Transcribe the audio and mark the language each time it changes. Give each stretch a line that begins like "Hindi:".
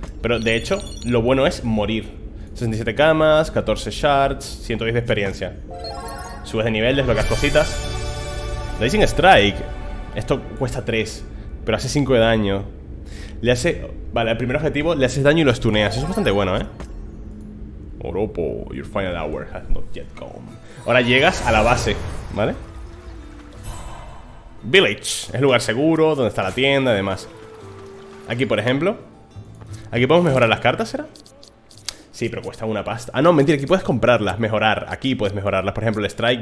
Spanish: Pero, de hecho, lo bueno es morir. 67 camas, 14 shards, 110 de experiencia. Subes de nivel, desbloqueas cositas. Lightning Strike. Esto cuesta 3, pero hace 5 de daño. Le hace... vale, al primer objetivo le haces daño y lo estuneas. Eso es bastante bueno, ¿eh?
English: Oropo, your final hour has not yet come.
Spanish: Ahora llegas a la base, ¿vale? Village, es lugar seguro, donde está la tienda y demás. Aquí, por ejemplo. Aquí podemos mejorar las cartas, ¿será? Sí, pero cuesta una pasta. Ah, no, mentira, aquí puedes comprarlas, mejorar. Aquí puedes mejorarlas, por ejemplo, el strike.